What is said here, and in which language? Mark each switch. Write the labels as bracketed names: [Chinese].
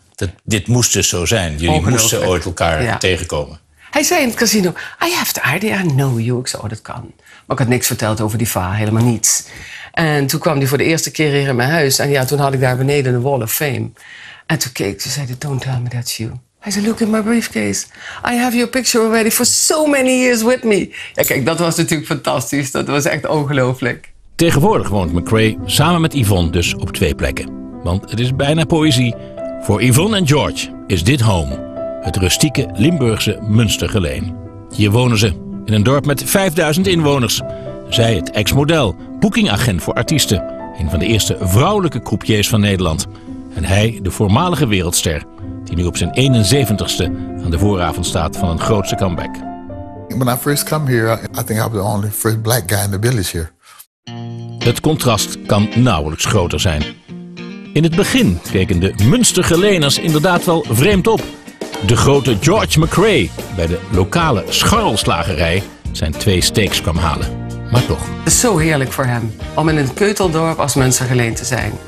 [Dutch] Dat, dit moest dus zo zijn, jullie moesten ooit elkaar tegenkomen. Hij zei in het casino, [English] I have the idea, I know you. [Dutch] Ik zei, oh, dat kan. Maar ik had niks verteld over die VA, helemaal niets. En toen kwam hij voor de eerste keer hier in mijn huis. En ja, toen had ik daar beneden een wall of fame. En toen keek ze, zei hij, [English] don't tell me that's you. [Dutch] Hij zei, [English] look in my briefcase. I have your picture already for so many years with me. [Dutch] Ja, kijk, dat was natuurlijk fantastisch. Dat was echt ongelooflijk. Tegenwoordig woont McRae samen met Yvonne dus op twee plekken. Want het is bijna poëzie. Voor Yvonne en George is dit home. Het rustieke Limburgse Münstergeleen. Hier wonen ze, in een dorp met 5000 inwoners. Zij het ex-model, boekingagent voor artiesten. Een van de eerste vrouwelijke croupiers van Nederland. En hij, de voormalige wereldster, die nu op zijn 71ste aan de vooravond staat van een grootse comeback. [English] When I first come here, I think I was the only first black guy in the village here. [Dutch] Het contrast kan nauwelijks groter zijn. In het begin keken de Münstergeleners inderdaad wel vreemd op. De grote George McRae bij de lokale scharrelslagerij zijn twee steaks kwam halen. maar toch. Het is zo heerlijk voor hem om in een keuteldorp als mensengeleend te zijn.